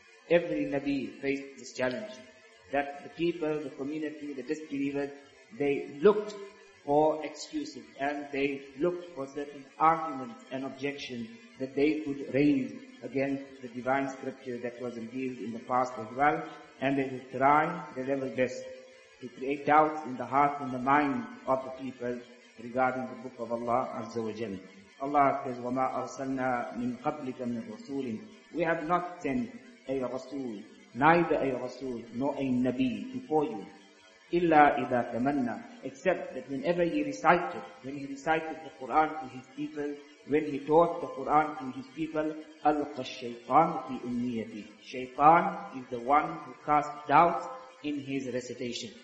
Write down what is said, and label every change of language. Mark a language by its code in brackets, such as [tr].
[en] Every Nabi faced this challenge, that the people, the community, the disbelievers, they looked for excuses and they looked for certain arguments and objections that they could raise against the divine scripture that was revealed in the past as well, and they would try their level best to create doubts in the hearts and the minds of the people regarding the book of Allah Azza wa Jal. Allah says, [ar] وَمَا أَرْسَلْنَا مِنْ قَبْلِكَ مِنْ رَسُولٍ. [en] We have not sent a Rasul, neither a Rasul nor a Nabi before you. [ar] Illa إِذَا تَمَنَّا, [en] except that whenever he recited, when he recited the Quran to his people, when he taught the Quran to his people, [ar] أَلْقَ الشَّيْطَانُ فِي أُمْنِيَتِهِ, [en] shaytan is the one who cast doubt in his recitation.